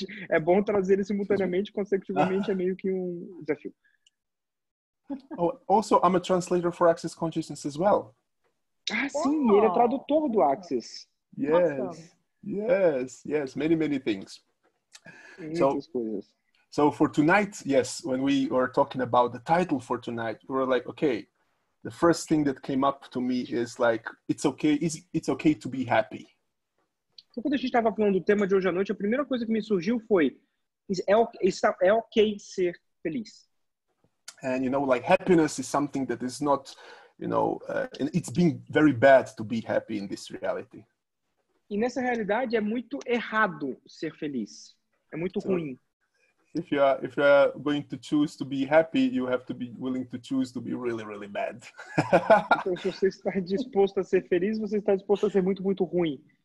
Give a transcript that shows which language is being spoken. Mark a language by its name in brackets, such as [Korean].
[Portuguese] É bom trazer ele simultaneamente, consecutivamente, é meio que um desafio. [English] Oh, also, I'm a translator for Access Consciousness as well. [Portuguese] Ah, sim, ele é tradutor do Axis. [English] Yes, [Portuguese] Massa. [English] yes, yes, many, many things. So [Portuguese] Muitas coisas. [English] So for tonight, yes, when we were talking about the title for tonight, we were like, okay, the first thing that came up to me is like, it's okay to be happy. [Portuguese] Então, quando a gente estava falando do tema de hoje à noite, a primeira coisa que me surgiu foi, é ok ser feliz. [English] And, you know, like, happiness is something that is not, you know, it's been very bad to be happy in this reality. [Portuguese] E nessa realidade é muito errado ser feliz. É muito ruim. [English] If you are going to choose to be happy, you have to be willing to choose to be really, really bad. [Portuguese] Então, se você está disposto a ser feliz, você está disposto a ser muito, muito ruim.